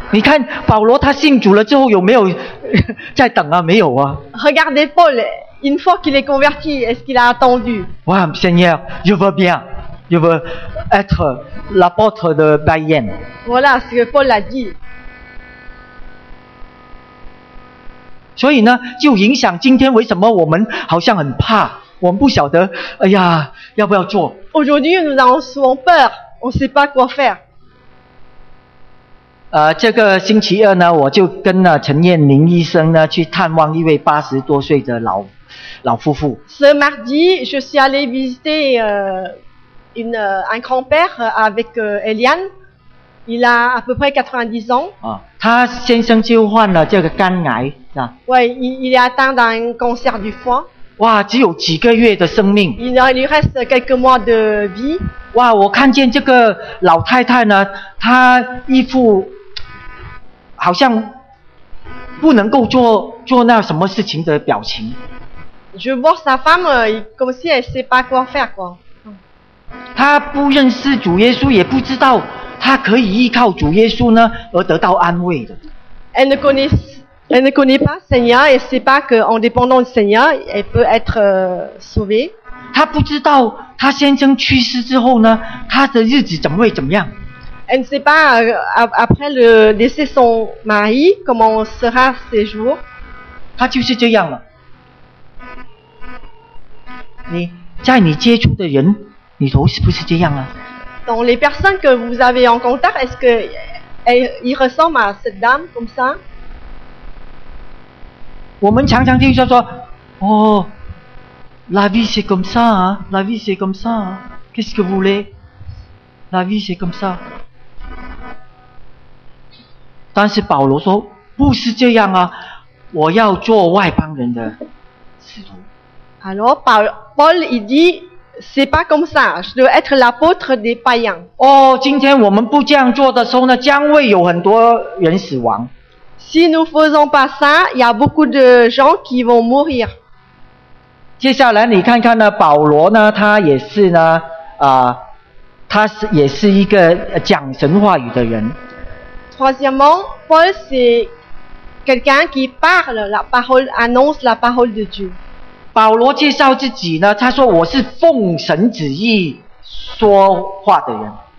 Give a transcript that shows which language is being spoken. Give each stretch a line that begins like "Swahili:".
Chinese: 你看保罗他信主了之后有没有在等啊？没有啊。
French: Regardez Paul, une fois qu'il est converti, est-ce qu'il a attendu? Oui, Seigneur, je veux bien, je veux être l'apôtre de Bayen. Voilà ce que Paul a dit.
Chinese: 所以呢，就影响今天为什么我们好像很怕，我们不晓得，哎呀，要不要做
French: ？Aujourd'hui, nous avons souvent peur, on ne sait pas quoi faire.
Chinese: 这个星期二呢，我就跟了陈燕宁医生呢去探望一位80多岁的老夫妇。
French: Ce mardi, je suis allé visiter un grand-père avec Eliane. Il a à peu près 90 ans.
Chinese: 他先生就患了这个肝癌，是吧？
French: Oui, il est atteint d'un cancer du foie.
Chinese: 哇，只有几个月的生命。
French: Il lui reste quelques mois de vie.
Chinese: 哇，我看见这个老太太呢，她一副好像不能够做那什么事情的表情。
French: Je vois sa femme comme si elle sait pas quoi faire quoi.
Chinese: 她不认识主耶稣，也不知道她可以依靠主耶稣呢而得到安慰的。
French: Elle ne connaît pas Seigneur et sait pas que en dépendant de Seigneur, elle peut être sauvée.
Chinese: 她不知道她先生去世之后呢，她的日子怎么会怎么样
French: ？Elle ne sait pas après le décès son mari comment sera ses jours。
Chinese: 她就是这样了。你在你接触的人里头是不是这样啊
French: ？Dans les personnes que vous avez en contact, est-ce que il ressemble à cette dame comme ça？
Chinese: 我们常常听说哦。
French: La vie c'est comme ça, hein? La vie c'est comme ça, hein? Qu'est-ce que vous voulez? La vie c'est comme ça.
Chinese: 但是保罗说不是这样啊，我要做外邦人的使徒。
French: Alors Paul il dit c'est pas comme ça, je dois être l'apôtre des païens.
Chinese: 哦，今天我们不这样做的时候呢，将会有很多人死亡。
French: Si nous faisons pas ça, il y a beaucoup de gens qui vont mourir.
Chinese: 接下来你看看呢，保罗呢，他也是呢，他也是一个讲神话语的人。
French: Troisièmement, Paul c'est quelqu'un qui parle la parole, annonce la parole de Dieu.
Chinese: 保罗介绍自己呢，他说我是奉神旨意说话的人。